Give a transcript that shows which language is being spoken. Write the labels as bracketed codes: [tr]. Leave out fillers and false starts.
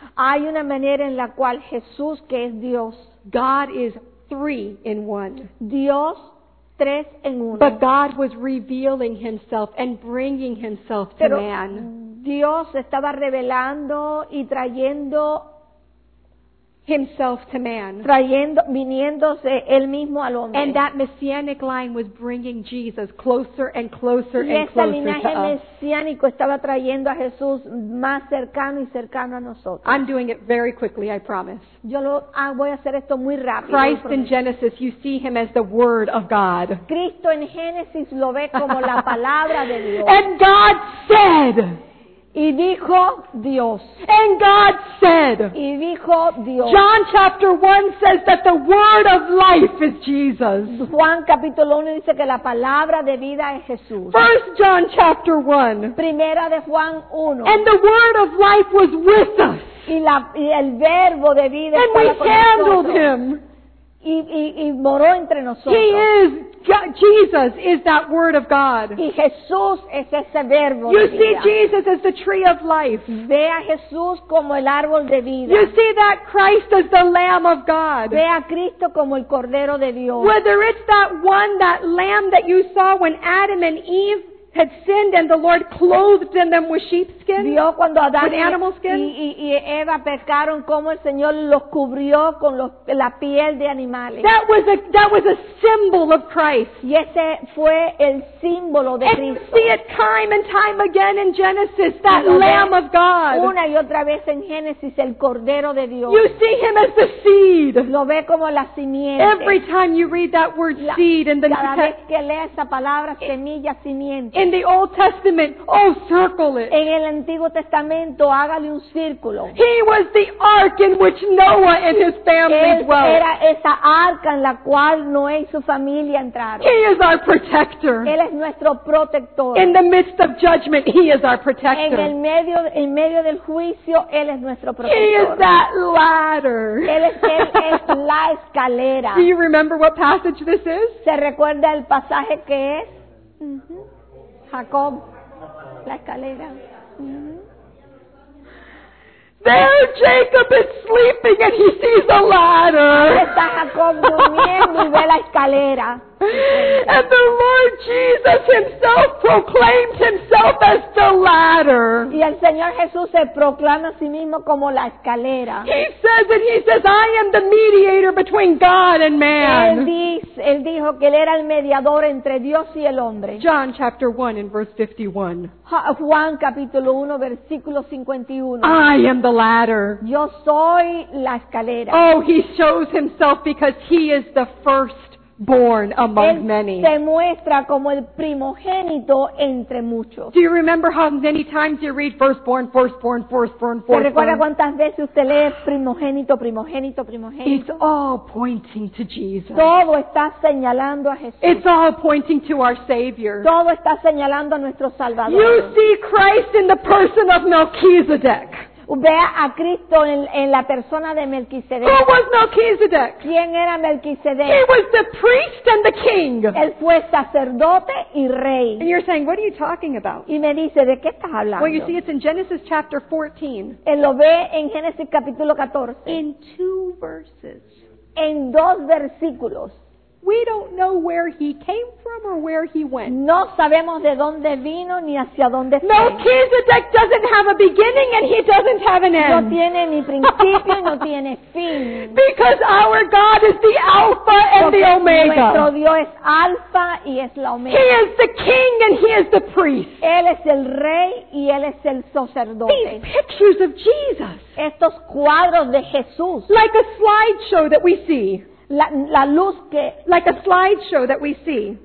[es] Hay una manera en la cual Jesús, que es Dios. [en] God is three in one. [es] Dios. Tres en uno. [en] But God was revealing himself and bringing himself to [es] Pero [en] man. [es] Dios estaba revelando y trayendo [en] himself to man. [es] Trayendo, viniéndose él mismo al hombre. [en] And that messianic line was bringing Jesus closer and closer [es] y [en] and closer to us. [es] Y ese linaje mesiánico estaba trayendo a Jesús más cercano y cercano a nosotros. [en] I'm doing it very quickly, I promise. [es] Voy a hacer esto muy rápido. [en] Christ in Genesis, you see him as the Word of God. [es] Cristo en Génesis lo ve como la palabra de Dios. [en] And God said. [es] Y dijo Dios. [en] And God said. [es] Y dijo Dios. [en] John chapter 1 says that the word of life is Jesus. [es] Juan capítulo 1 dice que la palabra de vida es Jesús. [en] 1 John chapter 1. [es] Primera de Juan 1. [en] And the word of life was with us. [es] Y el verbo de vida estaba con nosotros. [en] And we handled him. [es] y moró entre nosotros. [en] He is, Jesus is that word of God. [es] Y Jesús es ese verbo. [en] You see Jesus as the tree of life. [es] Ve a Jesús como el árbol de vida. [en] You see that Christ as the Lamb of God. [es] Ve a Cristo como el Cordero de Dios. [en] Whether it's that one, that lamb that you saw when Adam and Eve had sinned and the Lord clothed them with sheepskin, with animal skin. [es] Y Eva pecaron, como el Señor los cubrió con la piel de animales. [en] That was a symbol of Christ. [es] Y ese fue el símbolo de [en] and [es] Cristo. [en] And see it time and time again in Genesis, that Lamb of God. [es] Una y otra vez en Génesis, el Cordero de Dios. [en] You see Him as the seed. [es] Lo ve como la simiente. [en] Every time you read that word seed in the New Testament. [es] Cada vez que lees esa palabra, semilla, simiente. [en] In the Old Testament, oh, circle it. [es] En el Antiguo Testamento, hágale un círculo. [en] He was the ark in which Noah and his family dwelt. [es] Era esa arca en la cual Noé y su familia entraron. [en] He is our protector. [es] Él es nuestro protector. [en] In the midst of judgment, he is our protector. [es] En medio del juicio, él es nuestro protector. [en] He is that ladder. [es] Él es la escalera. [en] Do you remember what passage this is? [es] ¿Se recuerda el pasaje que es? Mm-hmm. Jacob, la escalera. [en] There Jacob is sleeping and he sees a ladder. [es] Está Jacob durmiendo y ve la escalera. [en] And the Lord Jesus himself proclaims himself as the ladder. [es] Y el Señor Jesús se proclama a sí mismo como la escalera. [en] He says, I am the mediator between God and man. [es] Él dijo que él era el mediador entre Dios y el hombre. [en] John chapter 1 and verse 51. [es] Juan capítulo 1 versículo 51. [en] I am the ladder. [es] Yo soy la escalera. [en] Oh, he shows himself because he is the first born among many. [es] Se muestra como el primogénito entre muchos. [en] Do you remember how many times you read firstborn, firstborn, firstborn, firstborn? [es] ¿Se recuerda cuántas veces usted lee primogénito, primogénito, primogénito? [en] It's all pointing to Jesus. [es] Todo está señalando a Jesús. [en] It's all pointing to our Savior. [es] Todo está señalando a nuestro Salvador. [en] You see Christ in the person of Melchizedek. [es] Vea a Cristo en la persona de Melquisedec. [en] Who was Melquisedec? [es] ¿Quién era Melquisedec? [en] He was the priest and the king. [es] Él fue sacerdote y rey. [en] And you're saying, what are you talking about? [es] Y me dice, ¿de qué estás hablando? [en] Well, you see, it's in Genesis chapter 14. [es] Él lo ve en Génesis capítulo 14. [en] In two verses. [es] En dos versículos. [en] We don't know where he came from or where he went. [es] No sabemos de dónde vino ni hacia dónde fue. [en] Melchizedek doesn't have a beginning and he doesn't have an end. [es] No tiene ni principio, no tiene fin. [en] Because our God is the Alpha and the Omega. [es] Nuestro Dios es Alpha y es la Omega. [en] He is the King and he is the Priest. [es] Él es el Rey y él es el Sacerdote. [en] These pictures of Jesus. [es] Estos cuadros de Jesús. [en] Like a slideshow that we see. [es] La luz que, [en] like a slideshow that we see,